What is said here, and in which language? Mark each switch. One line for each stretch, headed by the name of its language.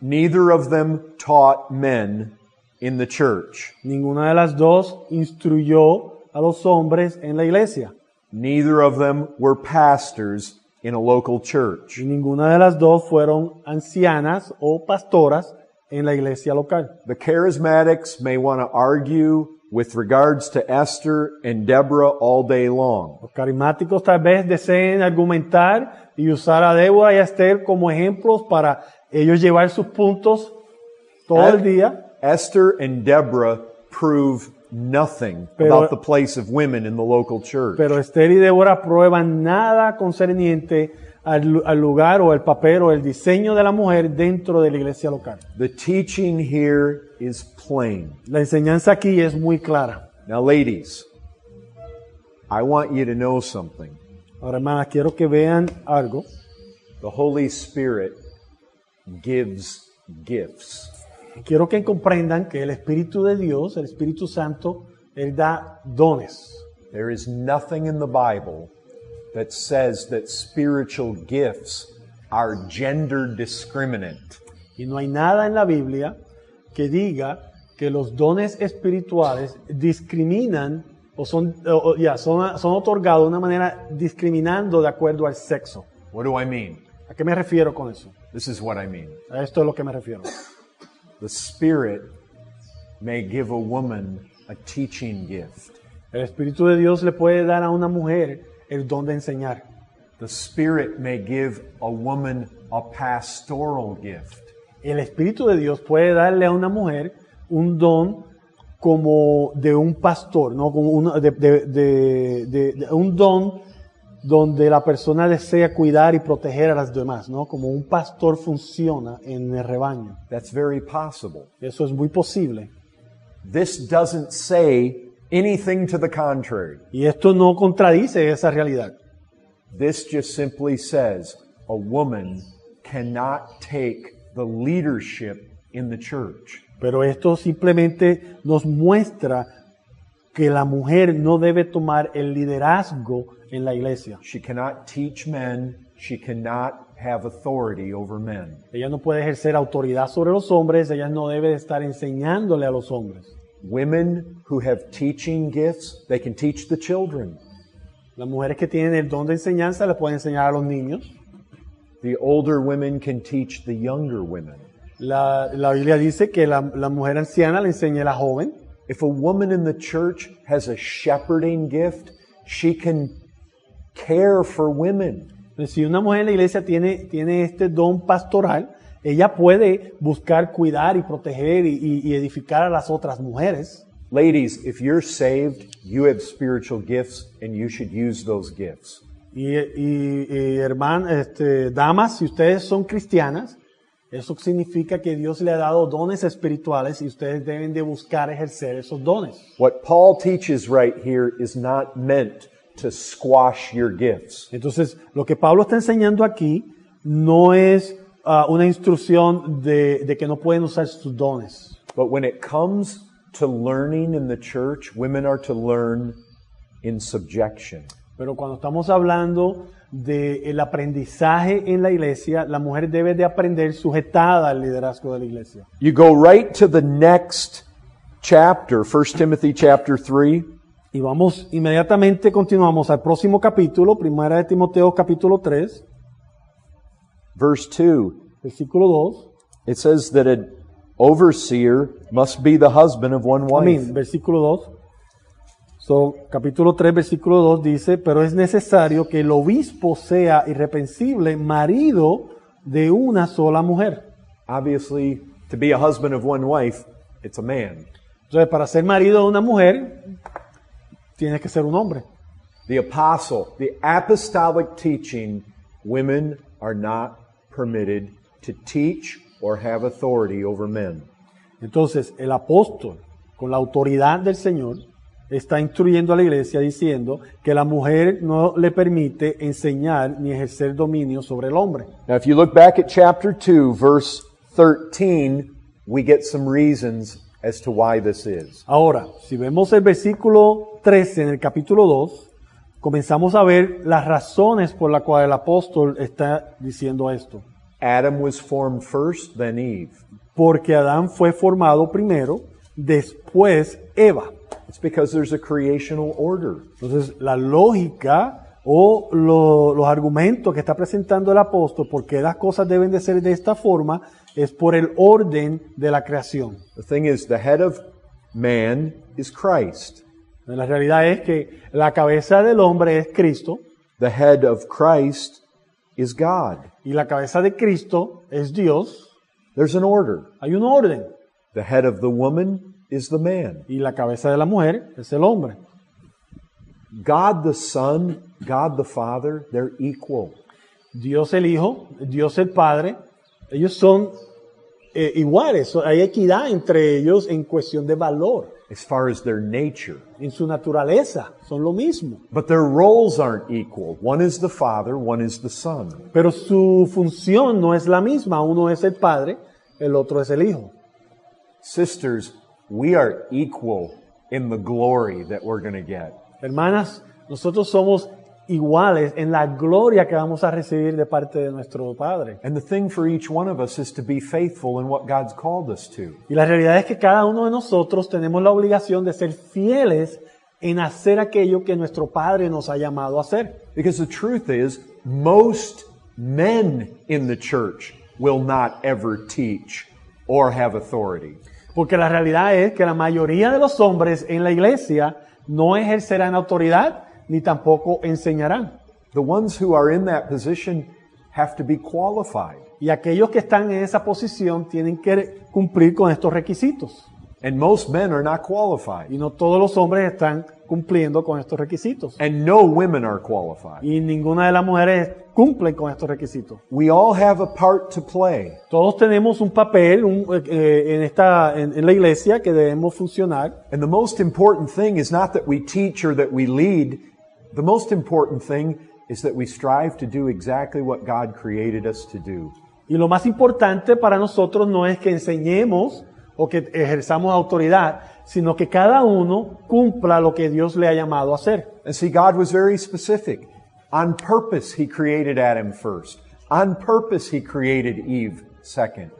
English: Neither of them taught men in the church.
Spanish: Ninguna de las dos instruyó a los hombres en la iglesia.
English: Neither of them were pastors in a local church.
Spanish: Y ninguna de las dos fueron ancianas o pastoras en la iglesia local.
English: The charismatics may want to argue with regards to Esther and Deborah all day long.
Spanish: Los carismáticos tal vez deseen argumentar y usar a Débora y a Esther como ejemplos para ellos llevar sus puntos todo el día.
English: Esther and Deborah prove nothing about the place of women in the local church.
Spanish: Pero Esther y Débora prueban nada concerniente al lugar o el papel o el diseño de la mujer dentro de la iglesia local.
English: The teaching here is plain.
Spanish: La enseñanza aquí es muy clara.
English: Now, ladies, I want you to know something.
Spanish: Ahora, hermanas, quiero que vean algo.
English: The Holy Spirit gives gifts.
Spanish: Quiero que comprendan que el Espíritu de Dios, el Espíritu Santo, Él da dones.
English: There is nothing in the Bible that says that spiritual gifts are gender discriminant.
Spanish: Y no hay nada en la Biblia que diga que los dones espirituales discriminan o son otorgados de una manera discriminando de acuerdo al sexo.
English: What do I mean?
Spanish: ¿A qué me refiero con eso?
English: This is what I mean.
Spanish: A esto es lo que me refiero.
English: The Spirit may give a woman a teaching gift.
Spanish: El Espíritu de Dios le puede dar a una mujer el don de enseñar.
English: The Spirit may give a woman a pastoral gift.
Spanish: El Espíritu de Dios puede darle a una mujer un don como de un pastor, ¿no? Como una, de un don donde la persona desea cuidar y proteger a las demás, ¿no? Como un pastor funciona en el rebaño.
English: That's very possible.
Spanish: Eso es muy posible.
English: This doesn't say anything to the contrary.
Spanish: Y esto no contradice esa realidad.
English: This just simply says a woman cannot take the leadership in the church.
Spanish: Pero esto simplemente nos muestra que la mujer no debe tomar el liderazgo en la iglesia.
English: She cannot teach men, she cannot have authority over men.
Spanish: Ella no puede ejercer autoridad sobre los hombres, ella no debe estar enseñándole a los hombres.
English: Women who have teaching gifts, they can teach the children.
Spanish: Las mujeres que tienen el don de enseñanza le pueden enseñar a los niños.
English: The older women can teach the younger women.
Spanish: La Biblia dice que la mujer anciana le enseña a la joven.
English: If a woman in the church has a shepherding gift, she can care for women.
Spanish: Si una mujer en la iglesia tiene este don pastoral, ella puede buscar cuidar y proteger y edificar a las otras mujeres.
English: Ladies, if you're saved, you have spiritual gifts and you should use those gifts.
Spanish: Y hermanas, damas, si ustedes son cristianas, eso significa que Dios le ha dado dones espirituales y ustedes deben de buscar ejercer esos dones.
English: What Paul teaches right here is not meant to squash your gifts.
Spanish: Entonces, lo que Pablo está enseñando aquí no es una instrucción de que no pueden usar sus dones.
English: But when it comes to learning in the church, women are to learn in subjection.
Spanish: Pero cuando estamos hablando de el aprendizaje en la iglesia, la mujer debe de aprender sujetada al liderazgo de la iglesia.
English: You go right to the next chapter, 1 Timothy chapter 3.
Spanish: Y vamos inmediatamente, continuamos al próximo capítulo, 1 Timoteo capítulo 3.
English: Verse 2.
Spanish: Versículo 2.
English: It says that an overseer must be the husband of one wife.
Spanish: Versículo 2. So, capítulo 3, versículo 2 dice, pero es necesario que el obispo sea irreprensible, marido de una sola mujer.
English: Obviously, to be a husband of one wife, it's a man.
Spanish: Entonces, para ser marido de una mujer, tiene que ser un hombre.
English: The apostle, the apostolic teaching, women are not permitted to teach or have authority over men.
Spanish: Entonces, el apóstol, con la autoridad del Señor, está instruyendo a la iglesia diciendo que la mujer no le permite enseñar ni ejercer dominio sobre el hombre.
English: Now, if you look back at chapter 2, verse 13, we get some reasons as to why this is.
Spanish: Ahora, si vemos el versículo 13 en el capítulo 2, comenzamos a ver las razones por las cuales el apóstol está diciendo esto.
English: Adam was formed first, then Eve.
Spanish: Porque Adán fue formado primero, después Eva.
English: It's because there's a creational order.
Spanish: Entonces, la lógica o los argumentos que está presentando el apóstol por qué las cosas deben de ser de esta forma es por el orden de la creación.
English: The thing is, the head of man is Christ.
Spanish: La realidad es que la cabeza del hombre es Cristo.
English: The head of Christ is God.
Spanish: Y la cabeza de Cristo es Dios.
English: There's an order.
Spanish: Hay un orden.
English: The head of the woman is the man.
Spanish: Y la cabeza de la mujer es el hombre.
English: God the Son, God the Father, they're equal.
Spanish: Dios el Hijo, Dios el Padre, ellos son iguales, hay equidad entre ellos en cuestión de valor.
English: As far as their nature.
Spanish: En su naturaleza, son lo mismo.
English: But their roles aren't equal. One is the Father, one is the Son.
Spanish: Pero su función no es la misma. Uno es el Padre, el otro es el Hijo.
English: Sisters, we are equal in the glory that we're going to get.
Spanish: Hermanas, nosotros somos iguales en la gloria que vamos a recibir de parte de nuestro Padre.
English: And the thing for each one of us is to be faithful in what God's called us to.
Spanish: Y la realidad es que cada uno de nosotros tenemos la obligación de ser fieles en hacer aquello que nuestro Padre nos ha llamado a hacer.
English: Because the truth is, most men in the church will not ever teach or have authority.
Spanish: Porque la realidad es que la mayoría de los hombres en la iglesia no ejercerán autoridad ni tampoco enseñarán.
English: The ones who are in that position have to be qualified.
Spanish: Y aquellos que están en esa posición tienen que cumplir con estos requisitos.
English: And most men are not qualified.
Spanish: Y no todos los hombres están cumpliendo con estos requisitos.
English: And no women are qualified.
Spanish: Y ninguna de las mujeres cumple con estos requisitos.
English: We all have a part to play.
Spanish: Todos tenemos un papel en la iglesia que debemos funcionar.
English: And the most important thing is not that we teach or that we lead. The most important thing is that we strive to do exactly what God created us to do.
Spanish: Y lo más importante para nosotros no es que enseñemos o que ejerzamos autoridad, sino que cada uno cumpla lo que Dios le ha llamado a hacer.
English: And see, God was very specific. On purpose, He created Adam first. On purpose, He created Eve second.